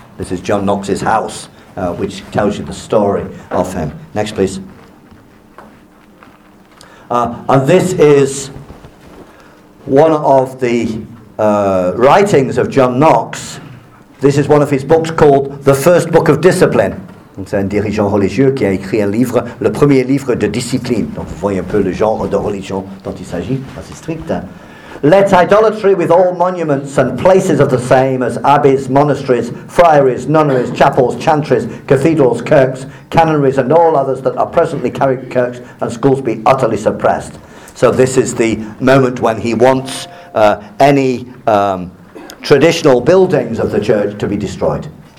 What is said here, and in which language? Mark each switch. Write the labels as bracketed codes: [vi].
[en] This is John Knox's house, which tells you the story of him. Next, please. And this is one of the writings of John Knox. This is one of his books called The First Book of Discipline. [fr] C'est un dirigeant religieux qui a écrit un livre, le premier livre de discipline. Donc vous voyez un peu le genre de religion dont il s'agit, assez strict. [en] Let idolatry with all monuments and places of the same as abbeys, monasteries, friaries, nunneries, chapels, chantries, cathedrals, kirks, canonries and all others that are presently carried kirks and schools be utterly suppressed. So this is the moment when he wants any traditional buildings of the church to be destroyed.